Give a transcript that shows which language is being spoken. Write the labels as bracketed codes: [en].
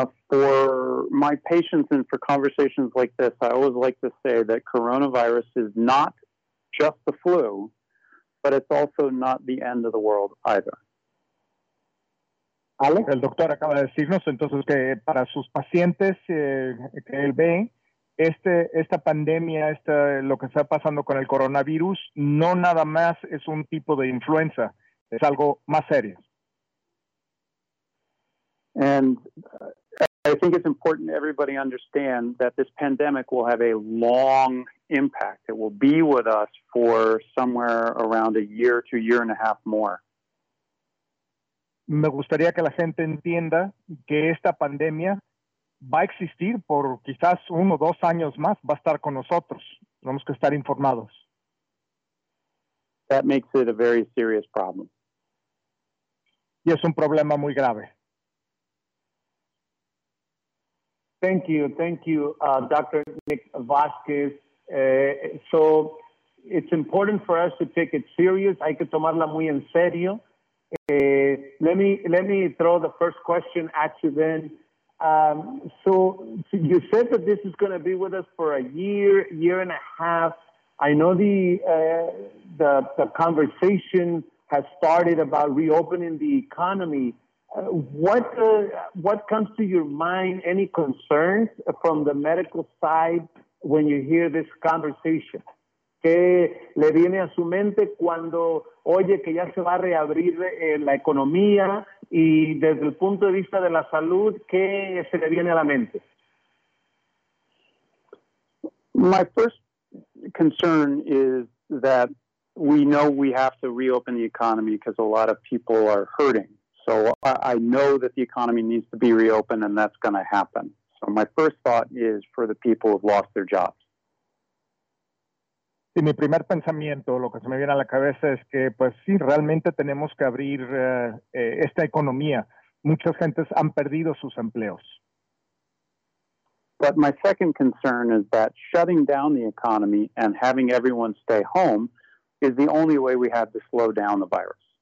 [en] For my patients and for conversations like this, I always like to say that coronavirus is not just the flu, but it's also not the end of the world either. Alex? [es] El doctor acaba de decirnos entonces que para sus pacientes que él ve, esta pandemia, lo que está pasando con el coronavirus, no nada más es un tipo de influenza, es algo más serio. [en] And I think it's important everybody understand that this pandemic will have a long impact. It will be with us for somewhere around a year to a year and a half more. [es] Me gustaría que la gente entienda que esta pandemia va a existir por quizás uno o dos años más, va a estar con nosotros. Tenemos que estar informados. [en] That makes it a very serious problem. [es] Y es un problema muy grave. [en] Thank you, Dr. Nick Vasquez. So it's important for us to take it serious. [es] Hay que tomarla muy en serio. [en] Let me throw the first question at you then. So you said that this is going to be with us for a year, year and a half. I know the conversation has started about reopening the economy. What comes to your mind, any concerns from the medical side when you hear this conversation? [es] ¿Qué le viene a su mente cuando oye que ya se va a reabrir la economía y desde el punto de vista de la salud, qué se le viene a la mente? [en] My first concern is that we know we have to reopen the economy because a lot of people are hurting. So I know that the economy needs to be reopened and that's going to happen. So my first thought is for the people who've lost their jobs. [es] Y mi primer pensamiento, lo que se me viene a la cabeza es que, pues sí, realmente tenemos que abrir esta economía. Muchas gentes han perdido sus empleos. [en] But my second concern is that shutting down the economy and having everyone stay home is the only way we have to slow down the virus.